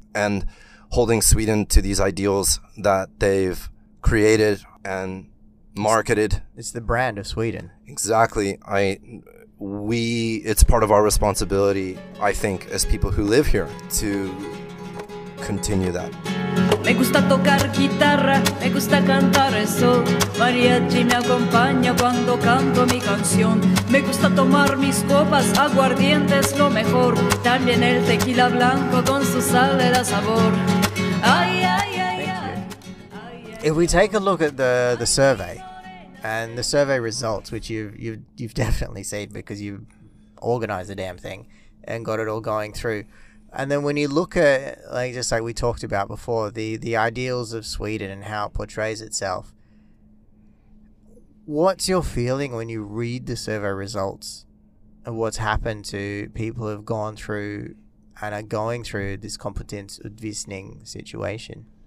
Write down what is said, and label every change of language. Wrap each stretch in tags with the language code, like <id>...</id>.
<en>And holding Sweden to these ideals that they've created and marketed. It's the brand of Sweden. Exactly. It's part of our responsibility, I think, as people who live here, to continue that.</en> <es>Me gusta tocar guitarra, me gusta cantar el sol. Mariachi me acompaña cuando canto mi canción. Me gusta tomar mis copas, aguardientes lo mejor. También el tequila blanco con su sal le da sabor. Ay, ay, ay, ay.</es> <en>If we take a look at the survey and the survey results, which you've definitely seen because you organized the damn thing and got it all going through. And then when you look at, like, just like we talked about before, the ideals of Sweden and how it portrays itself, what's your feeling when you read the survey results of what's happened to people who have gone through and are going through this kompetensutvisning situation?</en>